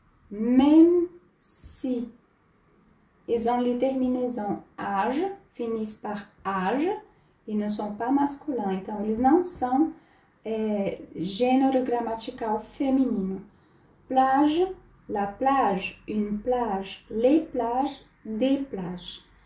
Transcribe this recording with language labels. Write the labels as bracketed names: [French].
[French] Même si ils ont les terminaisons age, finissent par age, ils ne sont pas masculins. [Portuguese] Então, eles não são gênero grammatical feminino. [French] Plage, la plage, une plage, les plages, des plages.